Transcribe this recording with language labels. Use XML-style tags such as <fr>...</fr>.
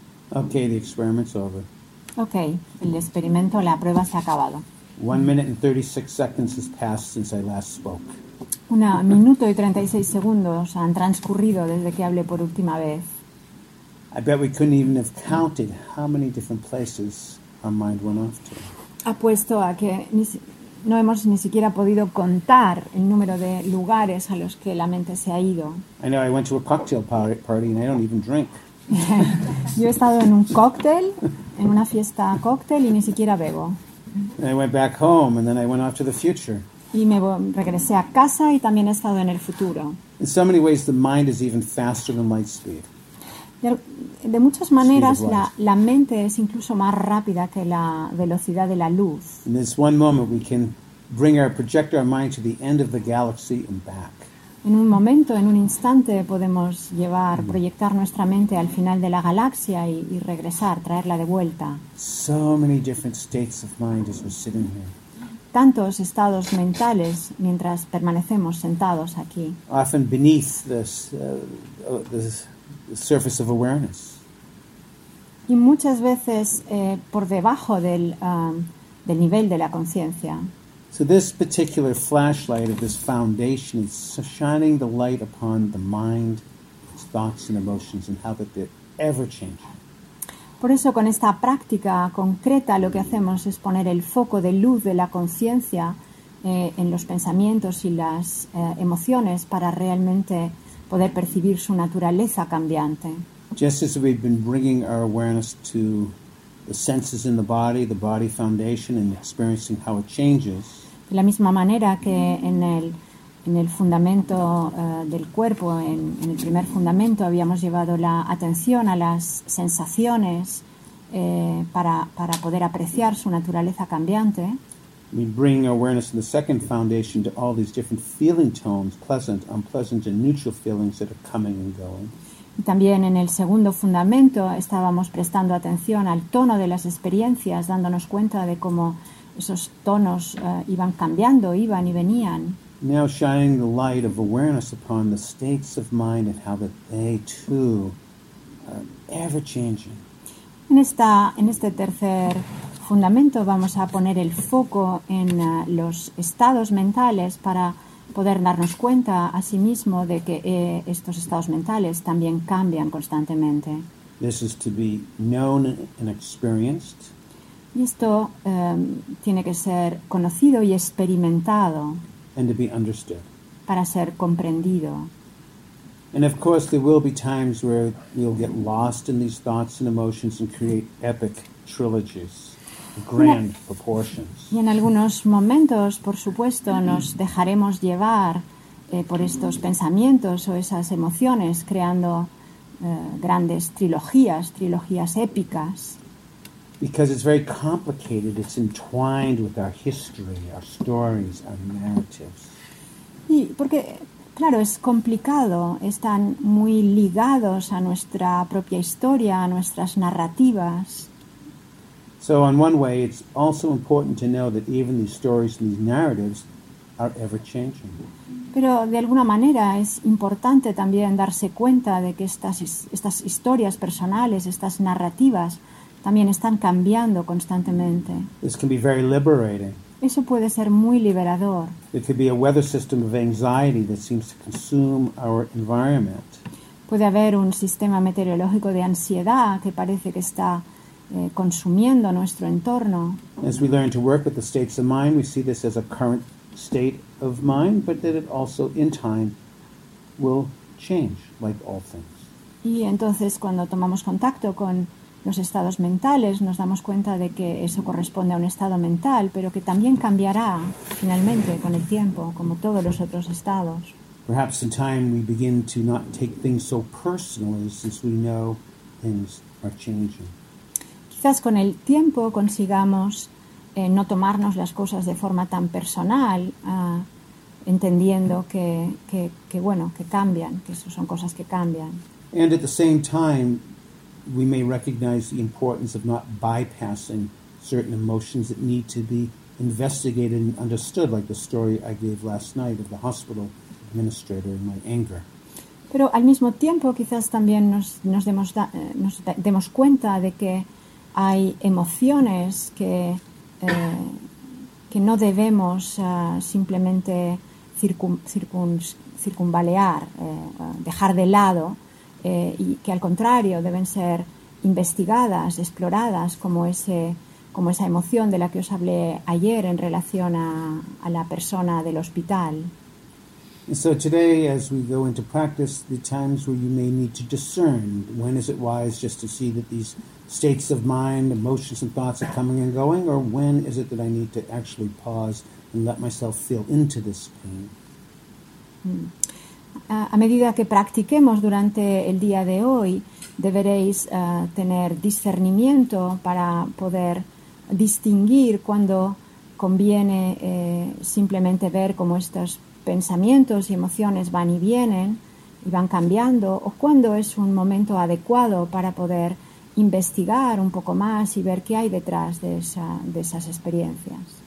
<en>Okay, the experiment's over.</en> <es>Okay, el experimento, la prueba se ha acabado.</es> <en>1 minute and 36 seconds has passed since I last spoke.</en> <es>1 minuto y 36 segundos han transcurrido desde que hablé por última vez.</es> <en>I bet we couldn't even have counted how many different places our mind went off to.</en> <es>Apuesto a que no hemos ni siquiera podido contar el número de lugares a los que la mente se ha ido.</es> <en>I know, I went to a cocktail party and I don't even drink.</en> <es>Yo he estado en un cóctel, en una fiesta cóctel, y ni siquiera bebo.</es> <en>And I went back home, and then I went off to the future.</en> <es>y me regresé a casa y también he estado en el futuro.</es> <en>In so many ways, the mind is even faster than light speed.</en> <es>De muchas maneras, la mente es incluso más rápida que la velocidad de la luz.</es> <en>In this one moment, we can bring our projector, our mind, to the end of the galaxy and back.</en> <es>En un momento, en un instante, podemos llevar, proyectar nuestra mente al final de la galaxia y regresar, traerla de vuelta.</es> <en>So many different states of mind as we're sitting here.</en> <es>Tantos estados mentales mientras permanecemos sentados aquí.</es> <en>Often beneath this, this surface of awareness.</en> <es>Y muchas veces por debajo del del nivel de la conciencia.</es> <en>So this particular flashlight of this foundation is shining the light upon the mind, its thoughts and emotions, and how they're ever changing.</en> <es>Por eso, con esta práctica concreta, lo que hacemos es poner el foco de luz de la conciencia en los pensamientos y las emociones para realmente poder percibir su naturaleza cambiante.</es> <en>Just as we've been bringing our awareness to the senses in the body foundation, and experiencing how it changes.</en> <es>De la misma manera que en el fundamento del cuerpo, en el primer fundamento, habíamos llevado la atención a las sensaciones para poder apreciar su naturaleza cambiante.</es> <en>We bring awareness in the second foundation to all these different feeling tones, pleasant, unpleasant, and neutral feelings that are coming and going.</en> <es>Y también en el segundo fundamento estábamos prestando atención al tono de las experiencias, dándonos cuenta de cómo esos tonos iban cambiando, iban y venían.</es> <en>Now shining the light of awareness upon the states of mind and how that they too are ever changing.</en> <es>En este tercer fundamento vamos a poner el foco en los estados mentales para poder darnos cuenta a sí mismo de que estos estados mentales también cambian constantemente.</es> <en>This is to be known and experienced.</en> <es>Y esto tiene que ser conocido y experimentado.</es> <en>And to be understood.</en> <es>Para ser comprendido.</es> <en>And of course there will be times where we'll get lost in these thoughts and emotions and create epic trilogies. Grand proportions.</en> <es>Y en algunos momentos, por supuesto, nos dejaremos llevar por estos pensamientos o esas emociones, creando grandes trilogías épicas.</es> <en>Because it's very complicated, it's entwined with our history, our stories, our narratives.</en> <es>Y porque, claro, es complicado, están muy ligados a nuestra propia historia, a nuestras narrativas.</es> <en>So on one way, it's also important to know that even these stories and these narratives are ever-changing.</en> <es>Pero de alguna manera es importante también darse cuenta de que estas historias personales, estas narrativas, también están cambiando constantemente.</es> <en>This can be very liberating.</en> <es>Eso puede ser muy liberador.</es> <en>It could be a weather system of anxiety that seems to consume our environment.</en> <es>Puede haber un sistema meteorológico de ansiedad que parece que está consumiendo nuestro entorno.</es> <en>As we learn to work with the states of mind, we see this as a current state of mind, but that it also, in time, will change, like all things.</en> <es>Y entonces, cuando tomamos contacto con los estados mentales, nos damos cuenta de que eso corresponde a un estado mental, pero que también cambiará finalmente con el tiempo, como todos los otros estados.</es> <en>Perhaps in time we begin to not take things so personally, since we know things are changing.</en> <es>Quizás con el tiempo consigamos no tomarnos las cosas de forma tan personal, entendiendo que cambian, que eso son cosas que cambian.</es> <en>And at the same time, we may recognize the importance of not bypassing certain emotions that need to be investigated and understood, like the story I gave last night of the hospital administrator and my anger.</en> <es>Pero al mismo tiempo, quizás también nos demos cuenta de que hay emociones que no debemos simplemente circunvalear, dejar de lado, y que al contrario deben ser investigadas, exploradas, como esa emoción de la que os hablé ayer en relación a la persona del hospital.</es> <en>And so today, as we go into practice, the times where you may need to discern, when is it wise just to see that these states of mind, emotions, and thoughts are coming and going, or when is it that I need to actually pause and let myself feel into this pain?</en> <es>A medida que practiquemos durante el día de hoy, deberéis tener discernimiento para poder distinguir cuando conviene simplemente ver cómo estos pensamientos y emociones van y vienen y van cambiando, o cuando es un momento adecuado para poder investigar un poco más y ver qué hay detrás de esa, de esas experiencias.</es>